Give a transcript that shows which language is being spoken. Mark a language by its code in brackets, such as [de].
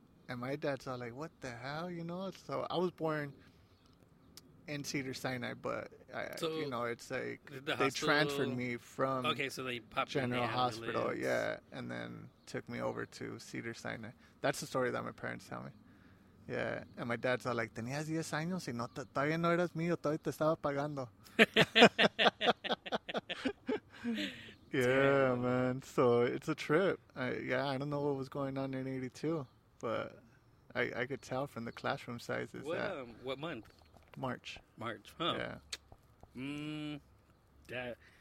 [en] And my dad's all like, what the hell, you know? So I was born in Cedars-Sinai, but, you know, it's like they transferred me from So they popped General in the Hospital, ambulance. Yeah, and then took me over to Cedars-Sinai. That's the story that my parents tell me. Yeah, and my dad's all like, [es] tenías 10 años y no te, todavía no eras mío, todavía te estaba pagando. [en] Yeah, damn, man, so it's a trip. I don't know what was going on in 82, but I could tell from the classroom sizes. What month? March. March, huh? Yeah.